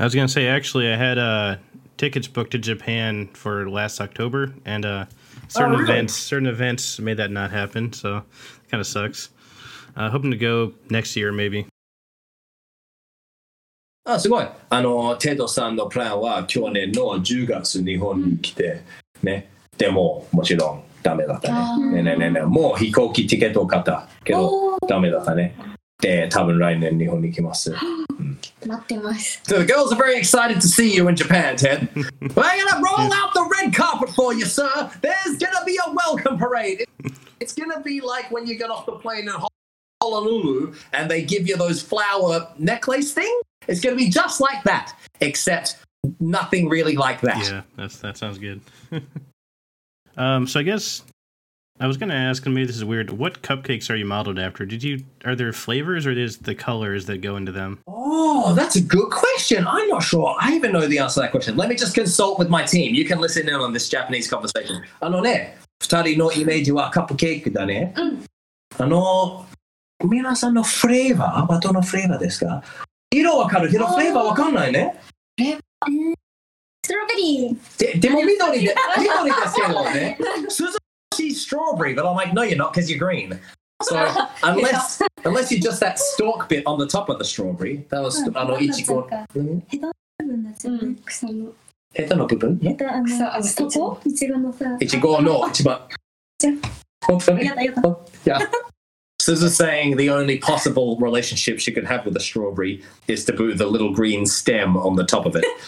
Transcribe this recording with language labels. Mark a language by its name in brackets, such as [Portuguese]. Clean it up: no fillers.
[English] I was going to say, actually, I had tickets booked to Japan for last October, and certain events made that not happen, so it kind of sucks. Hoping to go next year, maybe. [Japanese] すごい。あの、テドさんのプランは去年の10月日本に来て、ね。でも、もちろんダメだったね。ねもう飛行機ティケットを買ったけど、ダメだったね。で、多分来年日本に来ます。待ってます。 [English] So the girls are very excited to see you in Japan, Ted. We're gonna roll out the red carpet for you, sir. There's gonna be a welcome parade. It's gonna be like when you get off the plane in Honolulu and they give you those flower necklace thing. It's going to be just like that, except nothing really like that. Yeah, that sounds good. so I guess I was going to ask, and maybe this is weird, what cupcakes are you modeled after? Are there flavors or is the colors that go into them? Oh, that's a good question. I'm not sure. I even know the answer to that question. Let me just consult with my team. You can listen in on this Japanese conversation. [Japanese] あのね、二人のイメージはカップケーキだね。あの、皆さんのフレーバー、どのフレーバーですか? 色わかるけど、フレーバーわかんないね。ストロベリー。でも緑ですけどね。涼しいストロベリー、 [English] but I'm like, no, you're not, because you're green. So, unless you're just that stalk bit on the top of the strawberry, that was, あの、いちご。 [Japanese] ヘタの部分ですよね、草の。ヘタの部分?ヘタ、草、そこ? いちごのさ。いちごの一番。じゃあ。本当に?やだ。 [English] Suzu saying the only possible relationship she could have with a strawberry is to put the little green stem on the top of it.